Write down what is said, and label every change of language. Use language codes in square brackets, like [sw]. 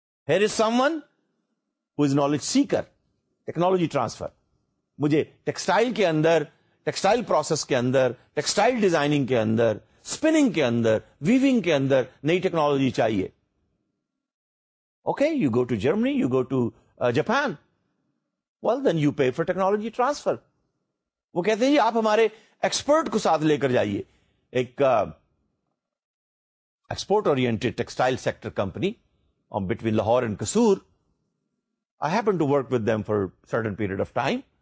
[en] Here is some one who is knowledge seeker, technology transfer. [ur] مجھے textile کے اندر, textile process کے اندر, textile designing کے اندر, spinning کے اندر, weaving کے اندر نئی ٹیکنالوجی چاہیے. [en] Okay, you go to Germany, you go to Japan. Well, then you pay for technology transfer. [ur] وہ کہتے ہیں جی آپ ہمارے ایکسپرٹ کو ساتھ لے کر جائیے. ایک [en] Export oriented textile sector company between Lahore and Kasur, I happen to work with them for certain period of time.